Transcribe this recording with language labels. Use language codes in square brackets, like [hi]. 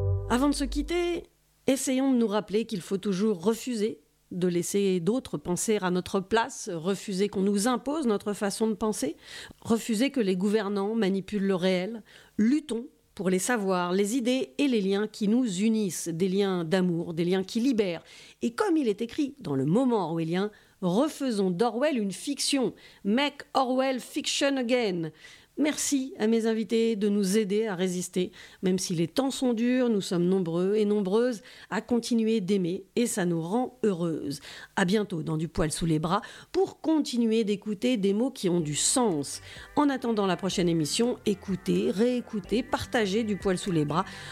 [fr] Avant de se quitter, essayons de nous rappeler qu'il faut toujours refuser de laisser d'autres penser à notre place, refuser qu'on nous impose notre façon de penser, refuser que les gouvernants manipulent le réel. Luttons pour les savoirs, les idées et les liens qui nous unissent, des liens d'amour, des liens qui libèrent. Et comme il est écrit dans Le Moment Orwellien, refaisons d'Orwell une fiction. [en] Make Orwell fiction again. [fr] Merci à mes invités de nous aider à résister. Même si les temps sont durs, nous sommes nombreux et nombreuses à continuer d'aimer et ça nous rend heureuses. À bientôt dans Du Poil Sous les Bras pour continuer d'écouter des mots qui ont du sens. En attendant la prochaine émission, écoutez, réécoutez, partagez Du Poil Sous les Bras.